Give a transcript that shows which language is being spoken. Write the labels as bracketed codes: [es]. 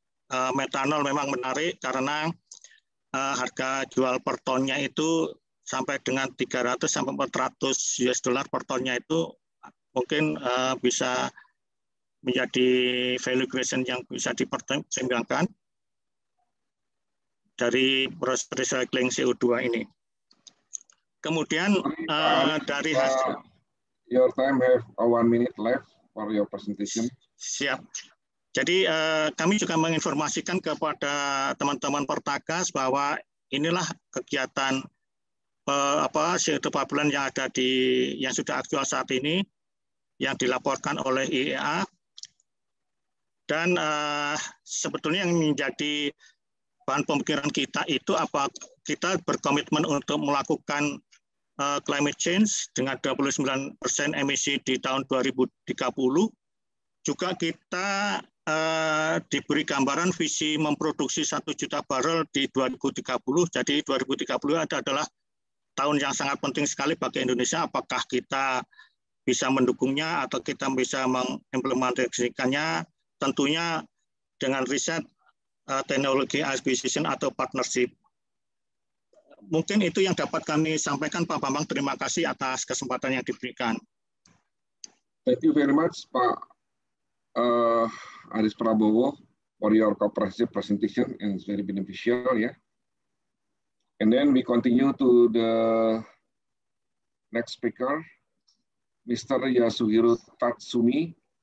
[id] Metanol memang menarik karena harga jual per tonnya itu sampai dengan 300 sampai 400 US dollar per tonnya, itu mungkin bisa menjadi value creation yang bisa dipertimbangkan dari proses recycling CO2 ini. Kemudian dari hasil [en] your time have 1 minute left for your presentation. [id] Siap. Jadi kami juga menginformasikan kepada teman-teman Pertagas bahwa inilah kegiatan CO2 pipeline yang ada di yang sudah aktual saat ini. yang dilaporkan oleh IEA. Dan sebetulnya yang menjadi bahan pemikiran kita itu apa kita berkomitmen untuk melakukan climate change dengan 29% emisi di tahun 2030. Juga kita diberi gambaran visi memproduksi 1 juta barrel di 2030. Jadi 2030 adalah tahun yang sangat penting sekali bagi Indonesia. Apakah kita bisa mendukungnya atau kita bisa mengimplementasikannya? Tentunya dengan riset teknologi acquisition atau partnership. Mungkin itu yang dapat kami sampaikan, Pak Bambang. Terima kasih atas kesempatan yang diberikan. [en] Thank you very much, Pak Aris Prabowo, for your comprehensive presentation, and it's very beneficial, yeah. And then we continue to the next speaker, Mr. Yasuhiro Tatsumi.